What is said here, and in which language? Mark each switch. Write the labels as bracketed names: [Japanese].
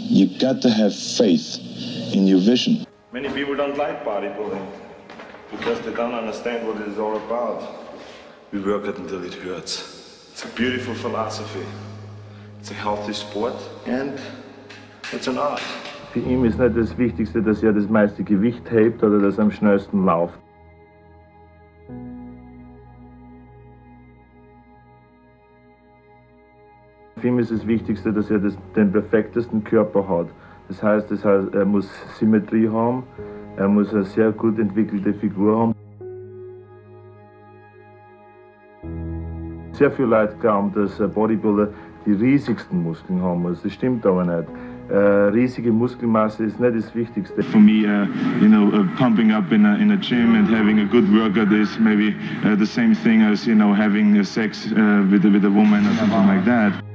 [English] You got to have faith in your vision. Many people don't like bodybuilding because they don't understand what it is all about. We work it until it hurts. It's a beautiful philosophy. It's a healthy sport and it's an art. [German] Für ihn ist nicht das Wichtigste, dass er das meiste Gewicht hebt oder das am schnellsten läuft. Für ihn ist das Wichtigste, dass er den perfektesten Körper hat. Das heißt, er muss Symmetrie haben, er muss eine sehr gut entwickelte Figur haben. Sehr viele Leute glauben, dass Bodybuilder die riesigsten Muskeln haben müssen. Das stimmt aber nicht. Riesige Muskelmasse ist nicht das Wichtigste. [English] For me, you know, pumping up in a gym and having a good workout is maybe the same thing as, you know, having sex with a woman or something like that.